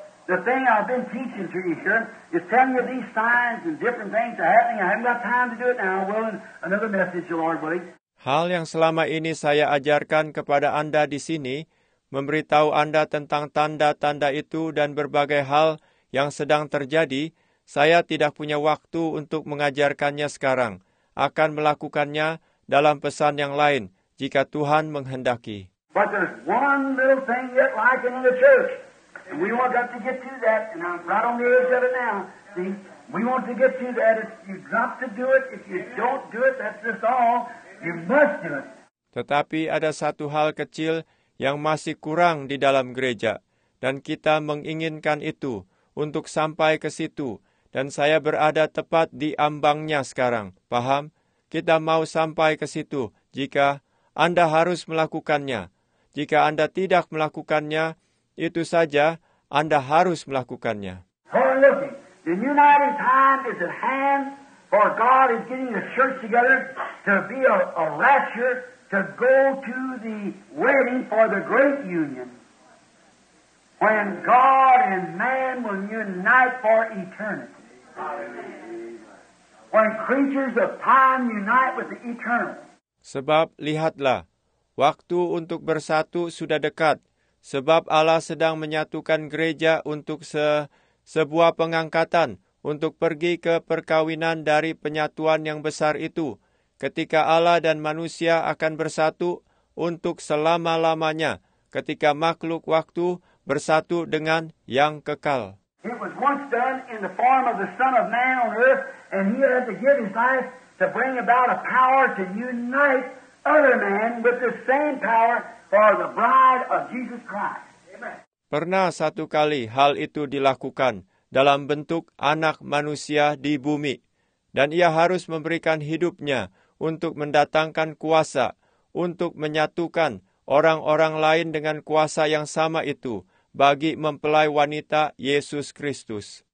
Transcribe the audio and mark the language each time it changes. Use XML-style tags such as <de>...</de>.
<en>The thing I've been teaching to you here is telling you these signs and different things are happening. I haven't got time to do it now. Well, another message, the Lord willing.</en> <id>Hal yang selama ini saya ajarkan kepada Anda di sini, memberitahu Anda tentang tanda-tanda itu dan berbagai hal yang sedang terjadi, saya tidak punya waktu untuk mengajarkannya sekarang. Akan melakukannya dalam pesan yang lain, jika Tuhan menghendaki.</id> <en>But there's one little thing yet lacking in the church. And we want to get to that, and I'm right on the edge of it now. See, we want to get to that. You've got to do it. If you don't do it, that's just all. You must do it.</en> <id>Tetapi ada satu hal kecil yang masih kurang di dalam gereja, dan kita menginginkan itu untuk sampai ke situ, dan saya berada tepat di ambangnya sekarang. Paham? Kita mau sampai ke situ. Jika Anda harus melakukannya, jika Anda tidak melakukannya, itu saja Anda harus melakukannya.</id> <en>The uniting time is at hand, for God is getting the church together to be a rapture, to go to the wedding for the great union, when God and man will unite for eternity. Amen. When creatures of time unite with the eternal.</en> <id>Sebab lihatlah, waktu untuk bersatu sudah dekat, sebab Allah sedang menyatukan gereja untuk sebuah pengangkatan, untuk pergi ke perkawinan dari penyatuan yang besar itu. Ketika Allah dan manusia akan bersatu untuk selama-lamanya, ketika makhluk waktu bersatu dengan yang kekal.</id> <en>It was once done in the form of the Son of Man on earth, and he had to give his life to bring about a power to unite other men with the same power for the bride of Jesus Christ. Amen.</en> <id>Pernah satu kali hal itu dilakukan dalam bentuk anak manusia di bumi, dan ia harus memberikan hidupnya untuk mendatangkan kuasa, untuk menyatukan orang-orang lain dengan kuasa yang sama itu bagi mempelai wanita Yesus Kristus.</id>